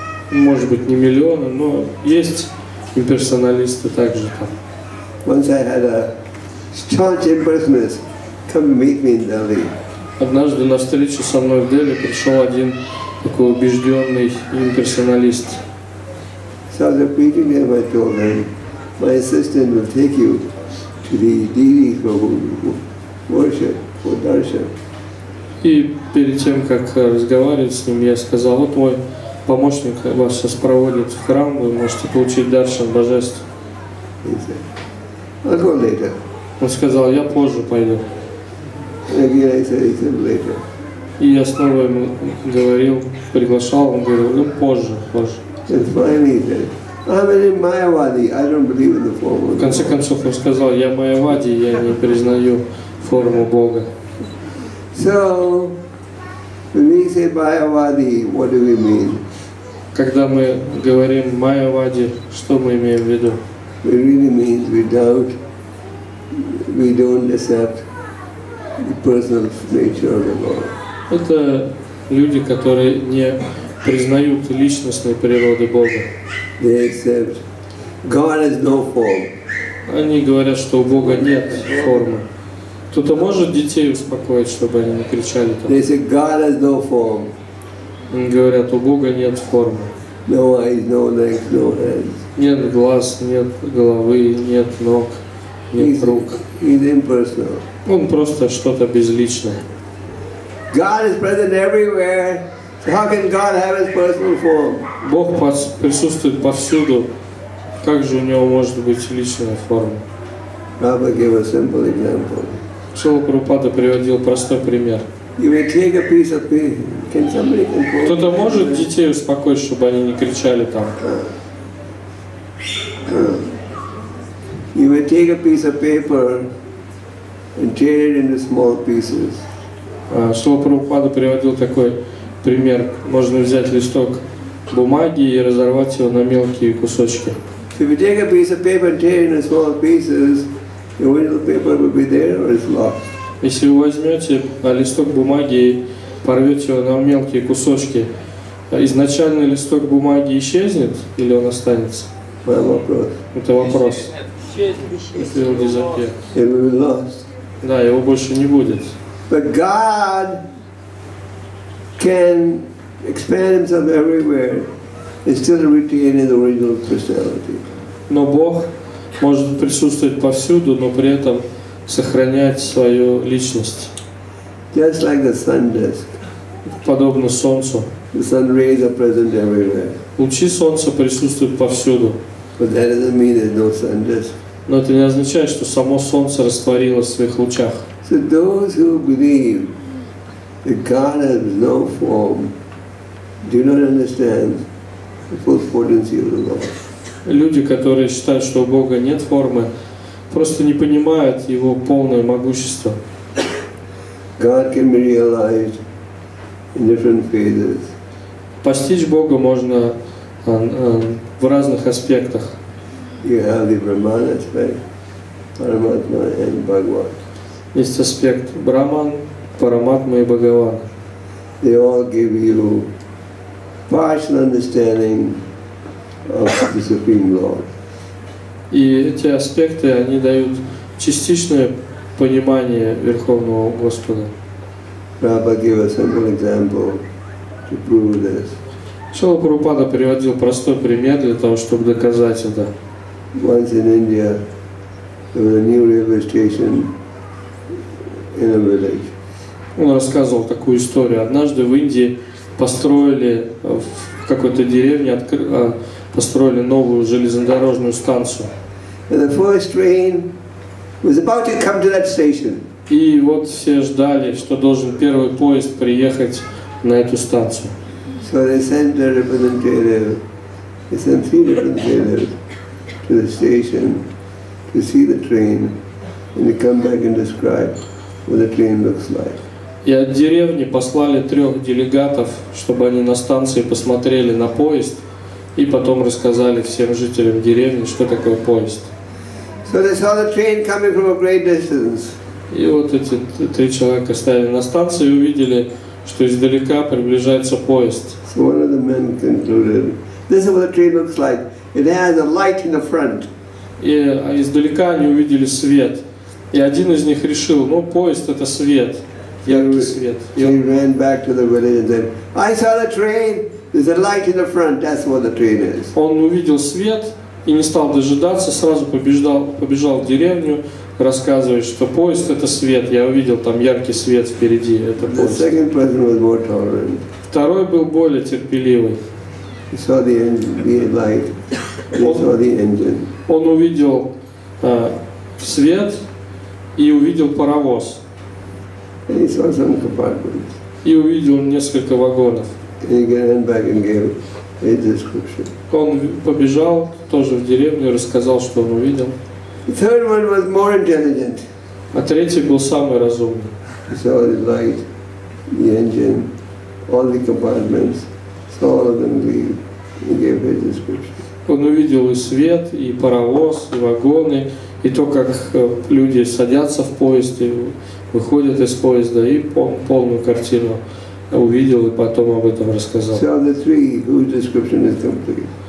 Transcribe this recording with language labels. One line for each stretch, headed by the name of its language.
Russian: Может быть, не миллионы, но есть имперсоналисты также там.
English: Once I had a staunch impersonalist come meet me in Delhi.
Russian: Однажды на встречу со мной в Дели пришел один такой убежденный имперсоналист.
English: So the preaching him, I told him, my assistant will take you to the deity for worship, for darshan.
Russian: И перед тем, как разговаривать с ним, я сказал, вот мой помощник вас сейчас проводит в храм, вы можете получить даршан божеств.
English: I'll go later.
Russian: Он сказал, я позже пойду.
English: Again, I said, it's later.
Russian: И я снова ему говорил, приглашал, он говорил, ну позже, позже.
English: And finally, I'm in Mayavadi. I don't believe in the form of God.
Russian: В конце концов, он сказал, я Майавади, я не признаю форму Бога.
English: So, when we say Mayavadi, what do we mean?
Russian: Когда мы говорим Майавади, что мы имеем в виду?
English: It really means we doubt, we don't accept the personal nature of the Lord.
Russian: Это люди, которые не признают личностной природы Бога.
English: They accept God has no form.
Russian: Они говорят, что у Бога нет формы. Кто-то может детей успокоить, чтобы они не кричали там?
English: They say God has no form.
Russian: Они говорят, у Бога нет формы.
English: No eyes, no legs, no hands.
Russian: Нет глаз, нет головы, нет ног, нет рук.
English: He's impersonal.
Russian: Он просто что-то безличное.
English: God is present everywhere. How can God have his personal form?
Russian: Бог присутствует повсюду. Как же у него может быть личная форма?
English: Prabhupada gave a simple example.
Russian: Шрила Прабхупада приводил простой пример.
English: You may take a piece of paper. Can somebody control?
Russian: Кто-то может детей успокоить, чтобы они не кричали там?
English: You may take a piece of paper and tear it into small pieces.
Russian: Шрила Прабхупада приводил такой пример. Можно взять листок бумаги и разорвать его на мелкие кусочки.
English: If you take a piece of paper and tear it into small pieces, the original paper will be there or it's lost.
Russian: Если вы возьмете листок бумаги и порвете его на мелкие кусочки, изначальный листок бумаги исчезнет или он останется?
English: My
Russian: вопрос. Это вопрос.
English: It will be lost.
Russian: Да, его больше не будет.
English: But God can expand himself everywhere and still retain his original personality.
Russian: Но Бог может присутствовать повсюду, но при этом сохранять свою личность.
English: Just like the sun does.
Russian: Подобно солнцу.
English: The sun rays are present everywhere.
Russian: Лучи солнца присутствуют повсюду.
English: But that doesn't mean there's no sun disk.
Russian: Но это не означает, что само солнце растворилось в своих лучах.
English: So those who believe that God has no form do not understand the full potency of the Lord.
Russian: Люди, которые считают, что у Бога нет формы, просто не понимают его полное могущество.
English: God can be realized in different phases.
Russian: Постичь Бога можно в разных аспектах.
English: You have the Brahman aspect, Paramatma and Bhagavan.
Russian: Есть аспект Брахман, Параматма и Бхагаван.
English: They all give you partial understanding of the Supreme Lord.
Russian: И эти аспекты, они дают частичное понимание Верховного Господа.
English: Prabhupada gave a simple example to prove this.
Russian: Шрила Прабхупада приводил простой пример для того, чтобы доказать это.
English: Once in India, there was a new railway station in a village.
Russian: Он рассказывал такую историю. Однажды в Индии построили в какой-то деревне, построили новую железнодорожную станцию.
English: And the first train was about to come to that station.
Russian: И вот все ждали, что должен первый поезд приехать на эту станцию.
English: So they sent a representative, they sent three representatives to the station to see the train and to come back and describe what the train looks like.
Russian: И от деревни послали трех делегатов, чтобы они на станции посмотрели на поезд и потом рассказали всем жителям деревни, что такое поезд.
English: So they saw the train coming from a great distance.
Russian: И вот эти три человека стояли на станции и увидели, что издалека приближается поезд.
English: So one of the men concluded, this is what the train looks like. It has a light in the front.
Russian: И издалека они увидели свет. И один из них решил, ну поезд это свет.
English: He ran back to the village and said, "I saw the train. There's a light in the front. That's what the train is."
Russian: Он увидел свет и не стал дожидаться, сразу побежал в деревню, рассказывая, что поезд это свет. Я увидел там яркий свет впереди. Это поезд.
English: The second person was more tolerant.
Russian: Второй был более терпеливый.
English: saw the engine, the light. He saw the engine.
Russian: Он увидел свет и увидел паровоз.
English: And he saw some compartments.
Russian: И увидел несколько вагонов.
English: And he ran back and gave a description.
Russian: Он побежал тоже в деревню и рассказал, что он увидел.
English: The third one was more intelligent.
Russian: А третий был самый разумный.
English: He saw the light, the engine, all the compartments, saw all of them leave. He gave a description.
Russian: Он увидел и свет, и паровоз, и вагоны, и то, как люди садятся в поезд и выходят из поезда, и полную картину увидел и потом об этом рассказал.
English: So the three, whose description is complete?